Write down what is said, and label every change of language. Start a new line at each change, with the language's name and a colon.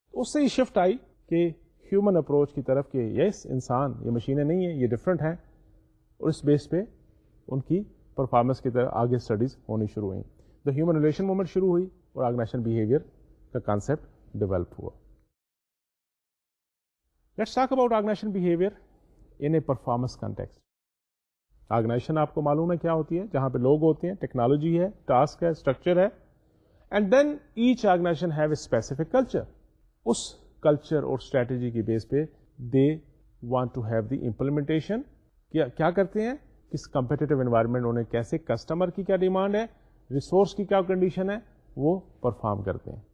Urdu: اس سے یہ شفٹ آئی کہ ہیومن اپروچ کی طرف, کہ یس انسان یہ مشینیں نہیں ہیں, یہ ڈفرینٹ ہیں, اور اس بیس پہ ان کی پرفارمنس کی طرف آگے اسٹڈیز ہونی شروع ہوئیں. دا ہیومن ریلیشن موومنٹ شروع ہوئی اور آرگنائزیشن بیہیویئر کا کانسیپٹ ڈیولپ ہوا.
English: Let's talk about organization behavior in a performance context.
Urdu: Organization آپ کو معلوم ہے کیا ہوتی ہے, جہاں پہ لوگ ہوتے ہیں, ٹیکنالوجی ہے, ٹاسک ہے, اسٹرکچر ہے,
English: And then each organization have a specific culture.
Urdu: اس culture اور اسٹریٹجی کی بیس پہ
English: they want to have the implementation,
Urdu: کیا کرتے ہیں, کس کمپیٹیٹو انوائرمنٹ انہیں کیسے, کسٹمر کی کیا ڈیمانڈ ہے, ریسورس کی کیا کنڈیشن ہے, وہ پرفارم کرتے ہیں.